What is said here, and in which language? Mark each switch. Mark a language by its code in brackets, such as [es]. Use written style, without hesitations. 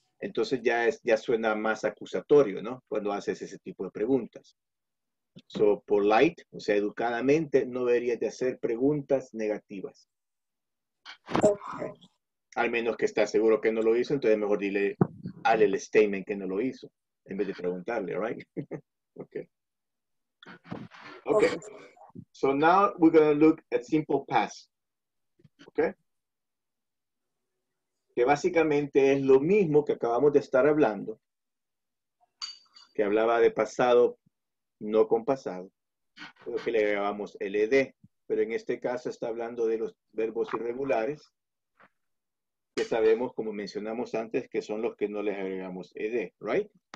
[es] Entonces ya es ya suena más acusatorio, ¿no? Cuando haces ese tipo de preguntas. So, polite, o sea, educadamente, no deberías de hacer preguntas negativas. [en] Okay. [es] Al menos que estás seguro que no lo hizo, entonces mejor dile al el statement que no lo hizo. en vez de preguntarle, right? Okay. Okay. [en] So now we're going to look at simple past. Okay? [es] Que básicamente es lo mismo que acabamos de estar hablando, que hablaba de pasado, no con pasado, pero que le llamamos LD. Pero en este caso está hablando de los verbos irregulares, que sabemos, como mencionamos antes, que son los que no les agregamos ed, right?